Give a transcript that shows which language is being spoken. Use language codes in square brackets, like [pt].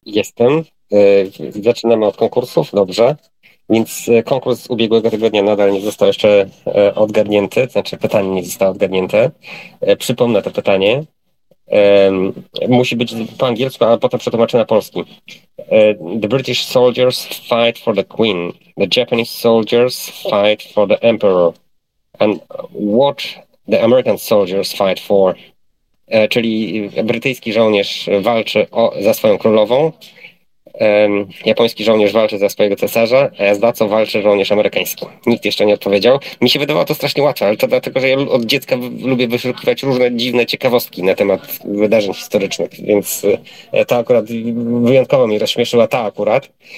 [pl] Jestem. Zaczynamy od konkursów, dobrze. Więc konkurs z ubiegłego tygodnia nadal nie został jeszcze odgarnięty, znaczy pytanie nie zostało odgarnięte. Przypomnę to pytanie. Musi być po angielsku, a potem przetłumaczę na polski. [en] The British soldiers fight for the Queen. The Japanese soldiers fight for the Emperor. And what the American soldiers fight for? [pl] Czyli brytyjski żołnierz walczy za swoją królową, japoński żołnierz walczy za swojego cesarza, a za co walczy żołnierz amerykański? Nikt jeszcze nie odpowiedział. Mi się wydawało to strasznie łatwe, ale to dlatego, że ja od dziecka lubię wyszukiwać różne dziwne ciekawostki na temat wydarzeń historycznych, więc to akurat wyjątkowo mnie rozśmieszyła ta akurat.